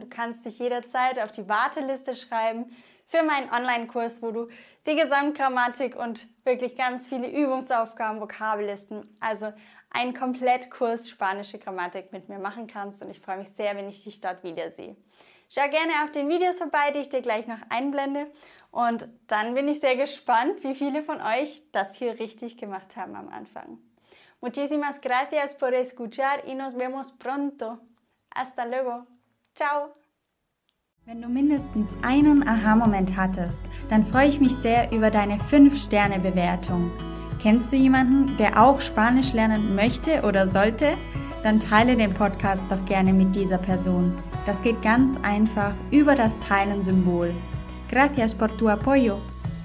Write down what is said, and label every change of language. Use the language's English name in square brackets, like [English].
[German] Du kannst dich jederzeit auf die Warteliste schreiben für meinen Online-Kurs, wo du die Gesamtgrammatik und wirklich ganz viele Übungsaufgaben, Vokabellisten, also einen Komplettkurs spanische Grammatik mit mir machen kannst. Und ich freue mich sehr, wenn ich dich dort wiedersehe. Schau gerne auf den Videos vorbei, die ich dir gleich noch einblende. Und dann bin ich sehr gespannt, wie viele von euch das hier richtig gemacht haben am Anfang. [Spanish] Muchísimas gracias por escuchar y nos vemos pronto. Hasta luego. Ciao. [German] Wenn du mindestens einen Aha-Moment hattest, dann freue ich mich sehr über deine 5-Sterne-Bewertung. Kennst du jemanden, der auch Spanisch lernen möchte oder sollte? Dann teile den Podcast doch gerne mit dieser Person. Das geht ganz einfach über das Teilen-Symbol. [Spanish] Gracias por tu apoyo.